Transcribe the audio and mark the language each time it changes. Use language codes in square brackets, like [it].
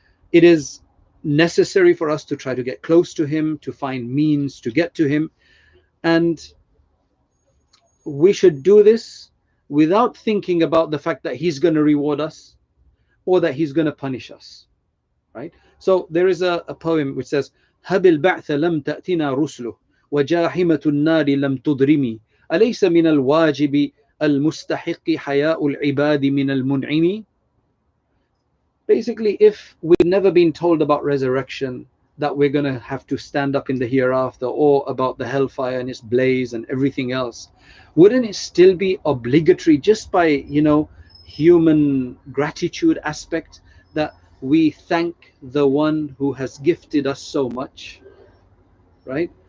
[en] It is necessary for us to try to get close to him, to find means to get to him. And we should do this without thinking about the fact that he's going to reward us or that he's going to punish us, right? So there is a poem which says, [ar] هَبِ الْبَعْثَ لَمْ تَأْتِنَا رُسْلُهُ وَجَاحِمَةُ النَّارِ لَمْ تُدْرِمِي أَلَيْسَ مِنَ الْوَاجِبِ الْمُسْتَحِقِّ حَيَاءُ الْعِبَادِ مِنَ الْمُنْعِمِ. [en] Basically, if we've never been told about resurrection, that we're going to have to stand up in the hereafter, or about the hellfire and its blaze and everything else, wouldn't it still be obligatory, just by, you know, human gratitude aspect, that we thank the one who has gifted us so much, right?